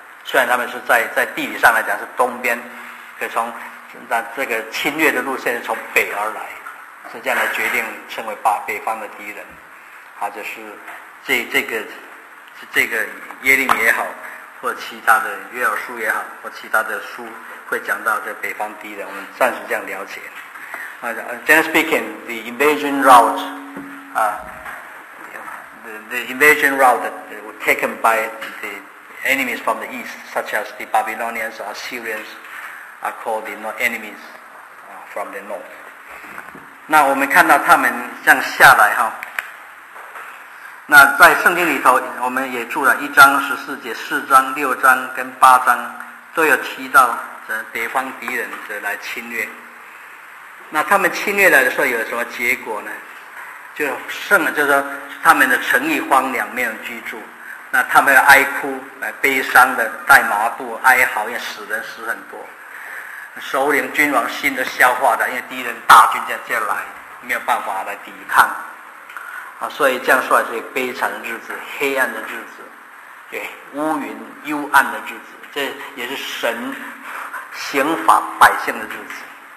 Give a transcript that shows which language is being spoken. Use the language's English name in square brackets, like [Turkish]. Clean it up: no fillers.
[Chinese] 虽然他们是在地理上来讲是东边，可从那这个侵略的路线是从北而来，是这样来决定称为北方的敌人，或者是这个耶利米也好，或其他的约珥书也好，或其他的书会讲到这北方敌人，我们暂时这样了解。 [English] Generally speaking, the invasion route, the invasion route that was taken by the enemies from the east, such as the Babylonians or Assyrians, are called the enemies from the north. [Chinese] 那我们看到他们这样下来哈，那在圣经里头，我们也注了1:14、4:6、8都有提到这北方敌人的来侵略。那他们侵略来的时候有什么结果呢？就是说他们的城邑荒凉，没有居住，那他们要哀哭，悲伤的带麻布哀嚎，因为死人死很多，首领君王心都消化的，因为敌人大军这样来，没有办法来抵抗啊，所以这样说来是悲惨的日子，黑暗的日子，对，乌云幽暗的日子，这也是神刑罚百姓的日子。